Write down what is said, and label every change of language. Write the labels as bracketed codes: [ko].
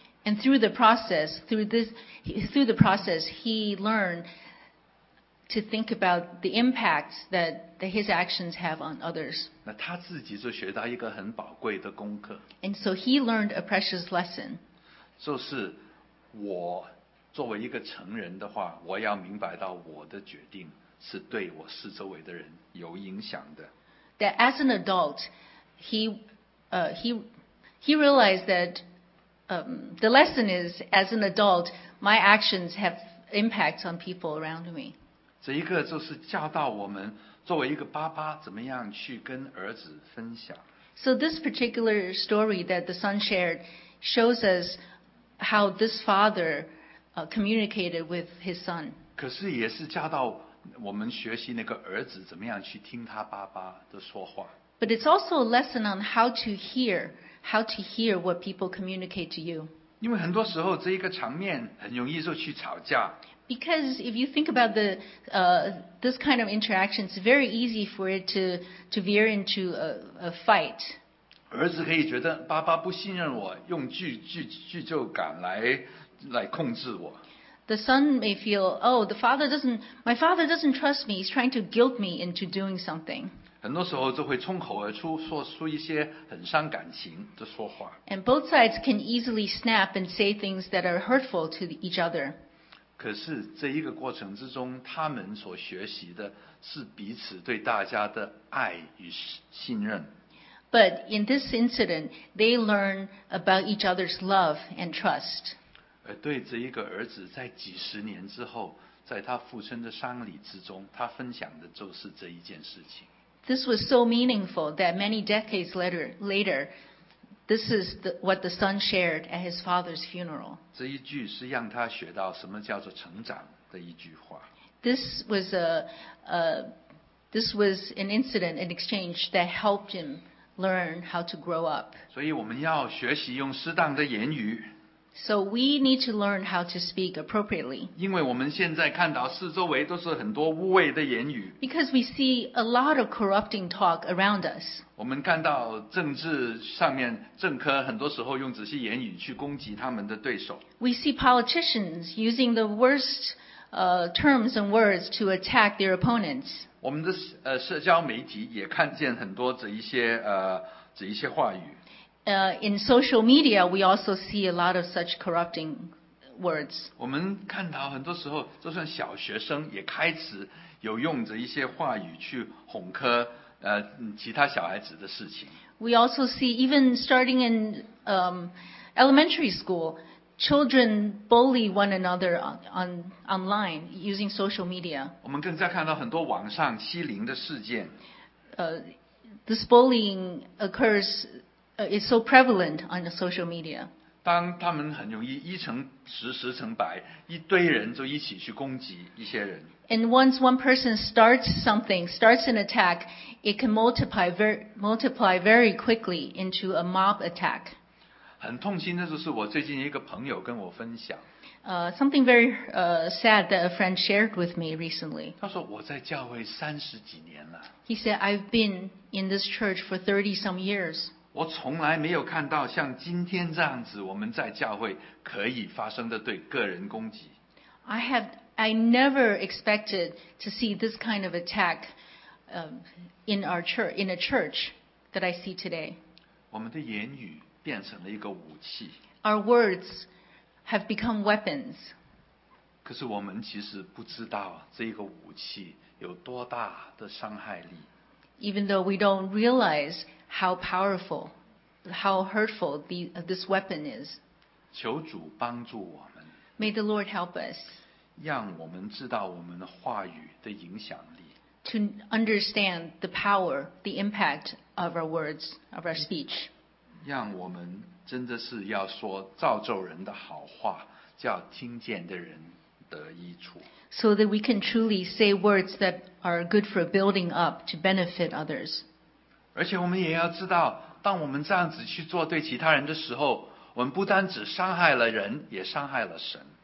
[en] And through the process, he learned to think about the impact that his actions have on others. [zh] 那他自己就学到一个很宝贵的功课。 [en] And so he learned a precious lesson. [zh] 就是我作为一个成人的话，我要明白到我的决定是对我四周围的人有影响的。 [en] That as an adult, he realized that. The lesson is, as an adult, my actions have impacts on people around me. [zh] 这一个就是教导我们作为一个爸爸怎么样去跟儿子分享。 [en] So this particular story that the son shared shows us how this father communicated with his son. [zh] 可是也是教导我们学习那个儿子怎么样去听他爸爸的说话。 [en] But it's also a lesson on how to hear what people communicate to you. [zh] 因为很多时候这一个场面很容易就去吵架。 [en] Because if you think about this kind of interaction, it's very easy for it to veer into a fight. [zh] 儿子可以觉得爸爸不信任我，用句就感来控制我。 [en] The son may feel, oh, my father doesn't trust me. He's trying to guilt me into doing something. [zh] 很多时候就会冲口而出，说出一些很伤感情的说话。 [en] And both sides can easily snap and say things that are hurtful to each other. [zh] 可是这一个过程之中，他们所学习的是彼此对大家的爱与信任。 [en] But in this incident, they learn about each other's love and trust. [zh] 而对这一个儿子，在几十年之后，在他父亲的丧礼之中，他分享的就是这一件事情。 [en] This was so meaningful that many decades later, this is what the son shared at his father's funeral. [zh] 这一句是让他学到什么叫做成长的一句话。 [en] This was an incident, an exchange that helped him learn how to grow up. [zh] 所以我们要学习用适当的言语。 [en] So we need to learn how to speak appropriately. [zh] 因为我们现在看到四周围都是很多污秽的言语。 [en] Because we see a lot of corrupting talk around us. [zh] 我们看到政治上面政客很多时候用这些言语去攻击他们的对手。 [en] We see politicians using the worst terms and words to attack their opponents. [zh] 我们的社交媒体也看见很多这一些话语。 [en] In social media, we also see a lot of such corrupting words. [zh] 我们看到很多时候，就算小学生也开始有用着一些话语去哄课其他小孩子的事情。 [en] We also see even starting in elementary school, children bully one another online using social media. [zh] 我们更加看到很多网上欺凌的事件。 [en] This bullying occurs. Is so prevalent on the social media. [zh] 当他们很容易一成十十成百，一堆人就一起去攻击一些人。 [en] And once one person starts an attack, it can multiply very quickly into a mob attack. [zh] 很痛心的就是我最近一个朋友跟我分享。 [en] Something very sad that a friend shared with me recently. [zh] 他说我在教会三十几年了。 [en] He said I've been in this church for 30 some years. [zh] 我从来没有看到像今天这样子我们在教会可以发生的对个人攻击。 [en] I never expected to see this kind of attack in a church that I see today. [zh] 我们的言语变成了一个武器。 [en] Our words have become weapons. [zh] 可是我们其实不知道这个武器有多大的伤害力。 [en] Even though we don't realize how powerful, how hurtful this weapon is. [zh] 求主帮助我们。 [en] May the Lord help us. [zh] 让我们知道我们的话语的影响力。 [en] To understand the power, the impact of our words, of our speech. [zh] 让我们真的是要说造就人的好话，叫听见的人得益处。 [en] So that we can truly say words that are good for building up to benefit others. [zh] 而且我们也要知道，当我们这样子去做对其他人的时候，我们不单只伤害了人，也伤害了神。